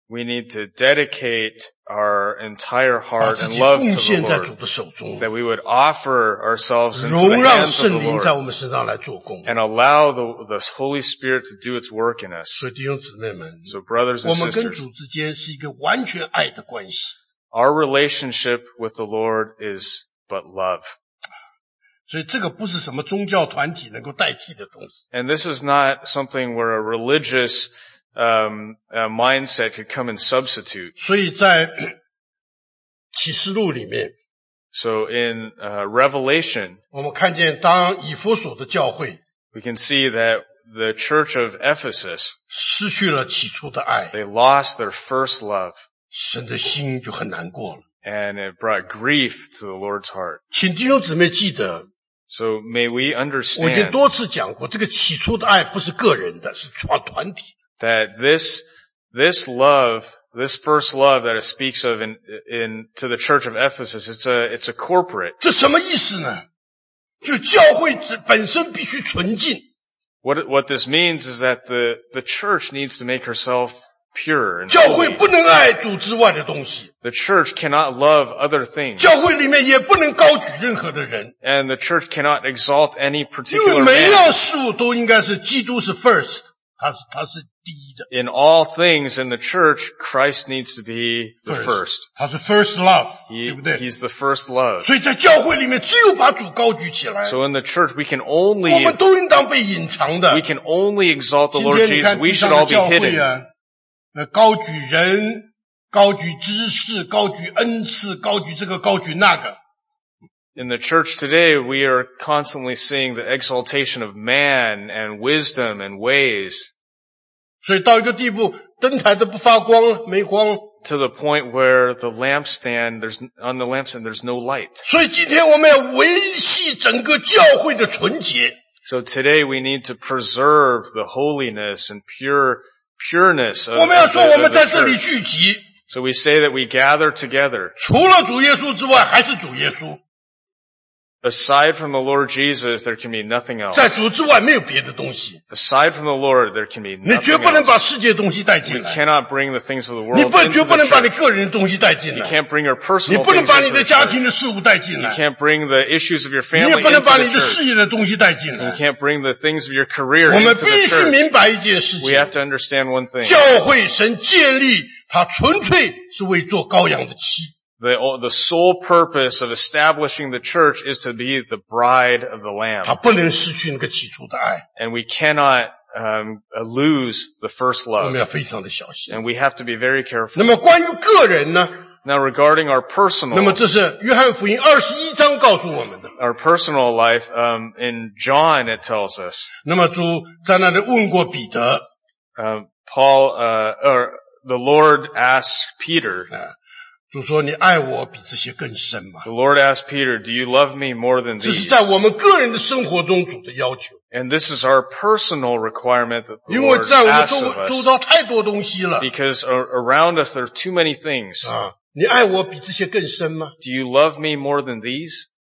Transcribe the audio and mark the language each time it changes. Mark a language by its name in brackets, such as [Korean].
[English] We need to dedicate our entire heart and love to the Lord. [Chinese] 把自己奉献在主的手中。 [English] That we would offer ourselves into the hands of the Lord. [Chinese] 容让圣灵在我们身上来做工。 [English] And allow the Holy Spirit to do its work in us. [Chinese] 所以弟兄姊妹们。 [English] So brothers and sisters. [Chinese] 我们跟主之间是一个完全爱的关系。 [English] Our relationship with the Lord is but love. [Chinese] 所以这个不是什么宗教团体能够代替的东西。 [English] And this is not something where a religious, mindset could come and substitute. [Chinese] 所以在启示录里面。 [English] So in, Revelation. [Chinese] 我们看见当以弗所的教会。 [English] We can see that the church of Ephesus. [Chinese] 失去了起初的爱。 [English] They lost their first love. [Chinese] 神的心就很难过了。 [English] And it brought grief to the Lord's heart. [Chinese] 请弟兄姊妹记得。 [English] So may we understand. [Chinese] 我已经多次讲过，这个起初的爱不是个人的，是团体的。 [English] That this love, this first love that it speaks of in to the church of Ephesus, it's a corporate. [Chinese] 这什么意思呢？就教会本身必须纯净。 [English] What this means is that the church needs to make herself pure. [Chinese] 教会不能爱主之外的东西。 [English] The church cannot love other things. [Chinese] 教会里面也不能高举任何的人。 [English] And the church cannot exalt any particular man. [Chinese] 因为每样事物都应该是基督是 first, 他是第一的。 [English] In all things in the church, Christ needs to be the first. [Chinese] 他是 [English] first love, [Chinese] 对不对？ [English] He's the first love. [Chinese] 所以在教会里面只有把主高举起来。 [English] So in the church, we can only, [Chinese] 我们都应当被隐藏的。 [English] We can only exalt the Lord Jesus. We should all be hidden. [Chinese] 高举人，高举知识，高举恩赐，高举这个，高举那个。 [English] In the church today, we are constantly seeing the exaltation of man and wisdom and ways. [Chinese] 所以到一个地步，灯台都不发光，没光。 [English] To the point where the lampstand, there's, on the lampstand, there's no light. [Chinese] 所以今天我们要维系整个教会的纯洁。 [English] So today we need to preserve the holiness and pureness of, [Chinese] 我们要说我们在这里聚集。 [English] So we say that we gather together. [Chinese] 除了主耶稣之外还是主耶稣。 [English] Aside from the Lord Jesus, there can be nothing else. [Chinese] 在主之外没有别的东西。 [English] Aside from the Lord, there can be nothing else. [Chinese] 你绝不能把世界的东西带进来。 [English] We cannot bring the things of the world into the church. [Chinese] 你绝不能把你个人的东西带进来。 [English] You can't bring your personal things [Chinese] 你不能把你的家庭的事物带进来。 [English] You can't bring the issues of your family into the [Chinese] 你也不能把你的事业的东西带进来。 [English] You can't bring the things of your career into the church. [Chinese] 我们必须明白一件事情。 [English] We have to understand one thing. [Chinese] 教会神建立它纯粹是为做羔羊的妻。 [English] The sole purpose of establishing the church is to be the bride of the Lamb. [Chinese] 他不能失去那个起初的爱。 [English] And we cannot, lose the first love. [Chinese] 我们要非常的小心。 [English] And we have to be very careful. [Chinese] 那么关于个人呢? [English] Now regarding our personal. [Chinese] 那么这是约翰福音21章告诉我们的。 [English] Our personal life, in John it tells us. [Chinese] 那么主在那里问过彼得。 [English] Paul, the Lord asked Peter. [Chinese] 主说你爱我比这些更深吗? [English] The Lord asked Peter, do you love me more than these? [Chinese] 这是在我们个人的生活中主的要求。 [English] And this is our personal requirement that the Lord asked of us. [Chinese] 因为在我们周遭太多东西了。 [English] Because around us there are too many things. [Chinese] 你爱我比这些更深吗? [English] Do you love me more than these?